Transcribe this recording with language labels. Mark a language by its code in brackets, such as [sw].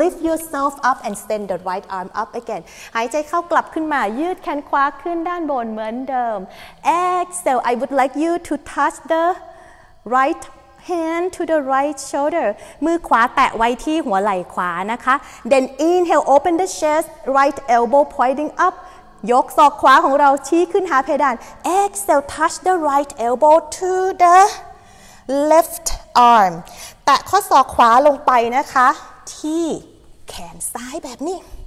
[en] Lift yourself up and send the right arm up again. [th] หายใจเข้ากลับขึ้นมายืดแขนขวาขึ้นด้านบนเหมือนเดิม [en] Exhale. I would like you to touch the right hand to the right shoulder. [th] มือขวาแตะไว้ที่หัวไหล่ขวานะคะ [en] Then inhale. Open the chest. Right elbow pointing up. [th] ยกศอกขวาของเราชี้ขึ้นหาเพดาน [en] Exhale, touch the right elbow to the left arm [th] แตะข้อศอกขวาลงไปนะคะที่แขนซ้ายแบบนี้